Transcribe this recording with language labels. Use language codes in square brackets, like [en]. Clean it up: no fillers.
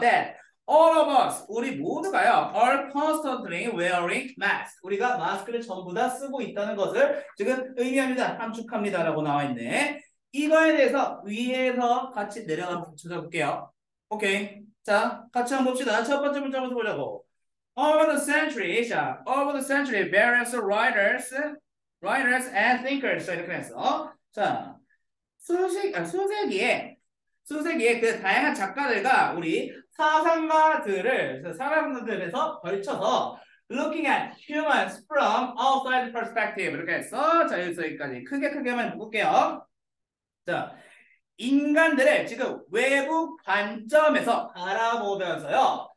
[en] That all of us, [ko] 우리 모두가요, [en] are constantly wearing masks. [ko] 우리가 마스크를 전부 다 쓰고 있다는 것을 지금 의미합니다. 함축합니다라고 나와 있네. 이거에 대해서 위에서 같이 내려가서 찾아볼게요. 오케이. 자, 같이 한번 봅시다. 첫 번째 문장부터 보자고. [en] Over the centuries, 자, over the centuries, various writers and thinkers. [ko] 자, 이렇게 해서. 자, 수세기에 그 다양한 작가들과 우리 사상가들을, 사람들에서 걸쳐서 [en] looking at humans from outside perspective. [ko] 이렇게 했어. 자, 여기까지 크게 크게만 볼게요. 자, 인간들의 지금 외부 관점에서 알아보면서요.